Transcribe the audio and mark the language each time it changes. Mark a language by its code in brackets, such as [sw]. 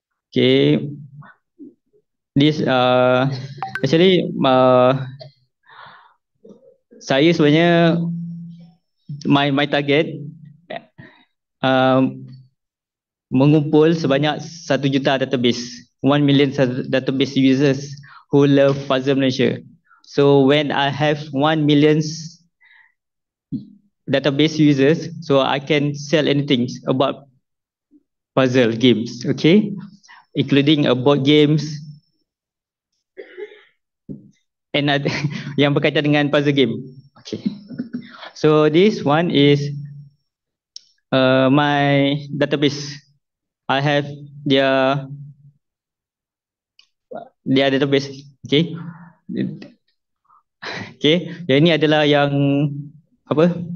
[en] Okay. This actually, [ms] saya sebenarnya [en] my target [ms] mengumpul sebanyak 1 juta [en] database, 1 million database users who love Puzzle Malaysia. So when I have 1 million database users, so I can sell anything about puzzle games, okay, including board games. [ms] And yang berkaitan dengan puzzle game. [en] Okay. So this one is my database. I have their database. Okay. Okay. [ms] Yang ini adalah yang apa?